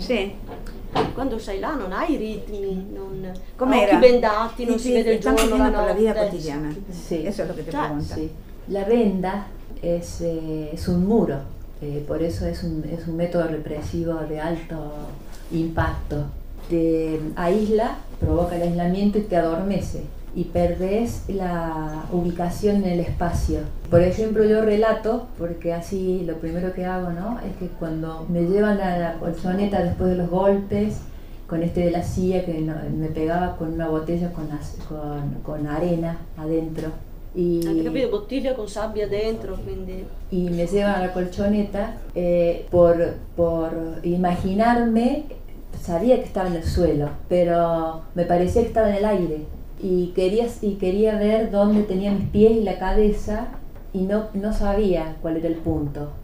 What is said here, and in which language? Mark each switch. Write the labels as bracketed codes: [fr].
[it] Sì. Quando sei là non hai ritmi, non com'era? Occhi bendati, non si vede il giorno, la notte. La vita quotidiana, è quello che ti racconta. Sì. La renda è un muro, per questo è un metodo repressivo di alto... [es] impacto, te aísla, provoca el aislamiento y te adormece y perdés la ubicación en el espacio. Por ejemplo, yo relato, porque así lo primero que hago, ¿no? Es que cuando me llevan a la colchoneta después de los golpes, con este de la silla que me pegaba con una botella con arena adentro, [it] Y hai capito, bottiglia con sabbia dentro, quindi... [es] Y me llevan a la colchoneta por imaginarme, sabía que estaba en el suelo, pero me parecía que estaba en el aire. Y quería ver dónde tenía mis pies y la cabeza y no sabía cuál era el punto.